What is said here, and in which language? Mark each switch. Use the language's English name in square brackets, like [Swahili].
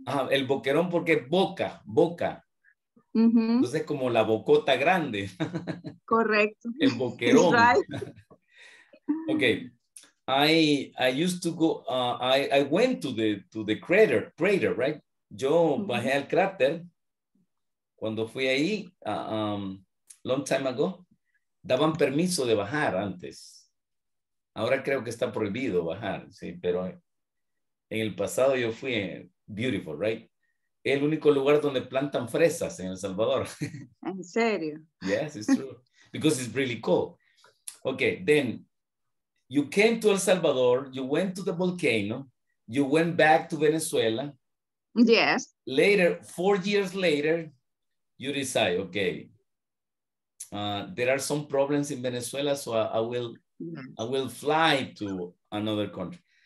[Spanish] El boquerón porque es boca. Mm-hmm. Entonces como la bocota grande. Correcto. El boquerón. [English] Right. Okay. I used to go, I went to the crater, right? [Spanish] Yo bajé al cráter cuando fui ahí, [English] long time ago. [Spanish] Daban permiso de bajar antes. Ahora creo que está prohibido bajar, sí, pero en el pasado yo fui, [English] beautiful, right? [Spanish] el único lugar donde plantan fresas en El Salvador. ¿En serio? [English] Yes, it's true. Because it's really cool. Okay, then you came to El Salvador, you went to the volcano, you went back to Venezuela. Yes. Later, 4 years later, you decide, okay, there are some problems in Venezuela, so I will fly to another country.